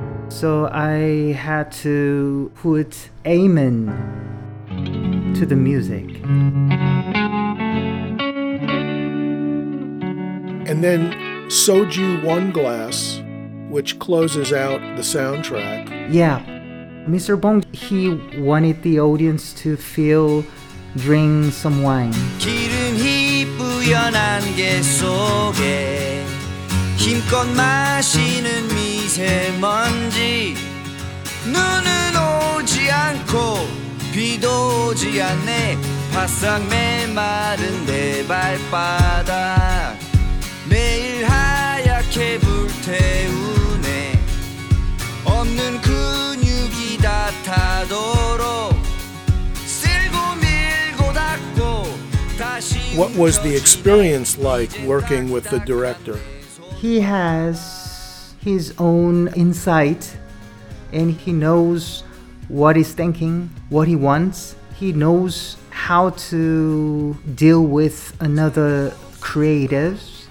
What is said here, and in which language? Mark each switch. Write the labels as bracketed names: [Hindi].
[English] So I had to put amen to the music. And then Soju One Glass, which closes out the soundtrack. Yeah. Mr. Bong, he wanted the audience to feel, drink some wine. [Korean] 기름이 뿌연한 게 속에 힘껏 마시는 미세먼지 눈은 오지 않고 비도 오지 않네 바싹 메마른 내 발바닥 매일 하얗게 불태우네 없는 근육이 다 타도록 쓸고 밀고 닦고 다시 [English] What was the experience like working with the director? He has his own insight, and he knows what he's thinking, what he wants. He knows how to deal with another creative.